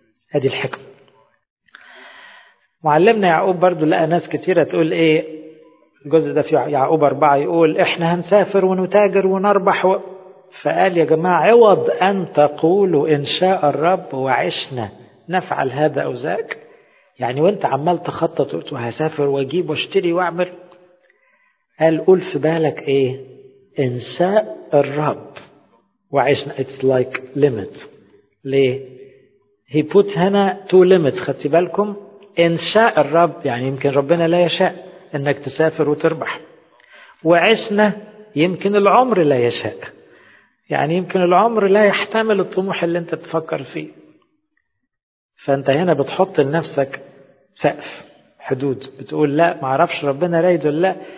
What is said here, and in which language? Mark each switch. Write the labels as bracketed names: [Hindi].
[Arabic] هذه الحكمة. معلمنا يعقوب برضو لقى ناس كتيرة تقول ايه؟ الجزء ده في يعقوب 4 يقول احنا هنسافر ونتاجر ونربح فقال يا جماعة عوض ان تقولوا ان شاء الرب وعشنا نفعل هذا أو ذاك، يعني وانت عمال تخطط وهسافر واجيب واشتري واعمل، قال قول في بالك ايه؟ انساء الرب وعشنا. [English] It's like limit. ليه؟ he put هنا two limits. [Arabic] خدتي بالكم؟ انساء الرب يعني يمكن ربنا لا يشاء انك تسافر وتربح، وعشنا يمكن العمر لا يشاء، يعني يمكن العمر لا يحتمل الطموح اللي انت تفكر فيه. فانت هنا بتحط لنفسك سقف حدود، بتقول لا معرفش ربنا رايد ولا لا.